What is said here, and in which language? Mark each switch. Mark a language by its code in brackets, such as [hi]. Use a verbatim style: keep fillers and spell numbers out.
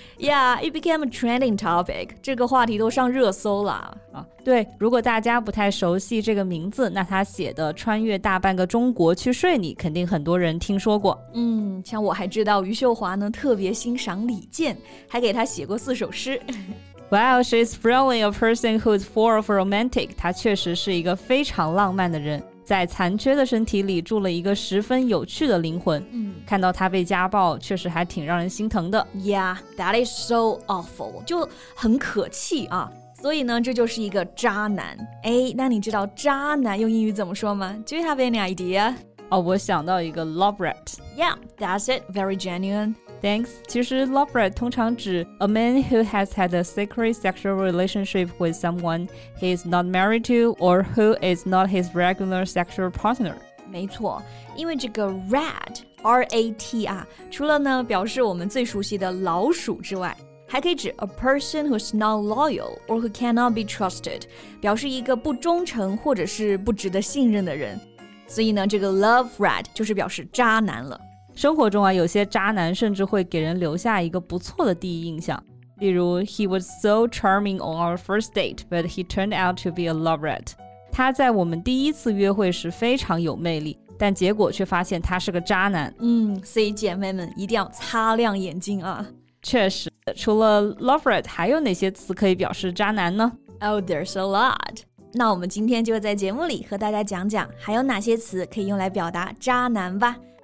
[en] Yeah, it became a trending topic. [zh] 这个话题都上热搜了啊。对，如果大家不太熟悉这个名字，那他写的穿越大半个中国去睡你，肯定很多人听说过。嗯，像我还知道余秀华呢特别欣赏李健，还给他写过四首诗。 [en] Well, she's really a person who's full of romantic. [zh] 她确实是一个非常浪漫的人，在残缺的身体里住了一个十分有趣的灵魂。嗯，看到她被家暴，确实还挺让人心疼的。 Yeah, that is so awful. 就很可气啊。所以呢，这就是一个渣男。哎，那你知道渣男用英语怎么说吗？ [en] Do you have any idea? [zh] 哦，我想到一个 love rat. [en] Yeah, that's it. Very genuine. Thanks. [zh] 其实 [en] love rat [zh] 通常指 [en] a man who has had a secret sexual relationship with someone he is not married to or who is not his regular sexual partner. [zh] 没错，因为这个 rat, R A T 啊，除了呢表示我们最熟悉的老鼠之外，还可以指 [en] a person who's not loyal or who cannot be trusted, [zh] 表示一个不忠诚或者是不值得信任的人。所以呢，这个 love rat 就是表示渣男了。生活中啊，有些渣男甚至会给人留下一个不错的第一印象。例如 [en] He was so charming on our first date, but he turned out to be a love rat. [zh] 他在我们第一次约会时非常有魅力，但结果却发现他是个渣男。嗯，所以姐妹们一定要擦亮眼睛啊。确实，除了 love rat 还有哪些词可以表示渣男呢？ [en] Oh, there's a lot. [zh] 那我们今天就在节目里和大家讲讲还有哪些词可以用来表达渣男吧。